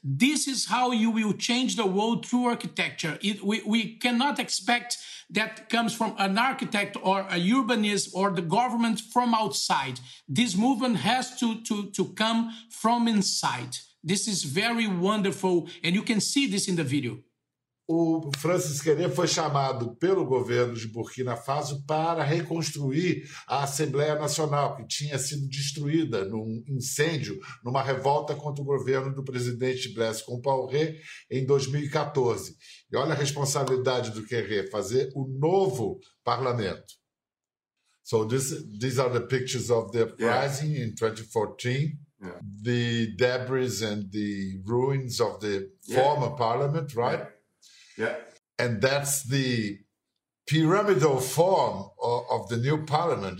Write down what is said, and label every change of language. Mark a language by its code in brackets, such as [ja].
[en] This is how you will change the world through architecture. We cannot expect that comes from an architect or a urbanist or the government from outside. This movement has to come from inside. This is very wonderful, and you can see this in the video. [pt] O Francis Querê foi chamado pelo governo de Burkina Faso para reconstruir a Assembleia Nacional, que tinha sido destruída num incêndio, numa revolta contra o governo do presidente Blaise Compaoré em 2014. E olha a responsabilidade do Querê, fazer o novo parlamento. [en] So these are the pictures of the uprising in 2014. The debris and the ruins of the former parliament, right? Yeah. And that's the pyramidal form of the new parliament.